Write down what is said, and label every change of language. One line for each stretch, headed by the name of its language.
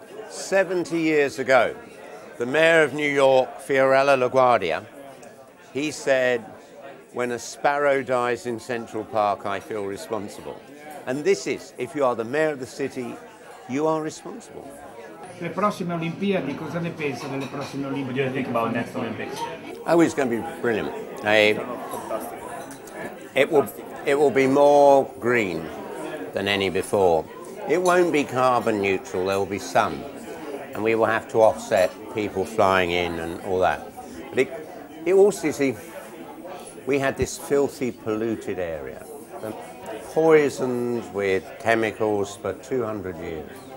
English: 70 years ago, the mayor of New York, Fiorella LaGuardia, he said, when a sparrow dies in Central Park, I feel responsible. And this is, if you are the mayor of the city, you are responsible.
Italian: Le prossime Olimpiadi, cosa ne pensa delle prossime Olimpiadi?
English: What do you think about next Olympics? Oh, it's going to be brilliant. It will be more green than any before. It won't be carbon neutral, there will be sun. And we will have to offset people flying in and all that. But it also, you see, we had this filthy, polluted area, poisoned with chemicals for 200 years.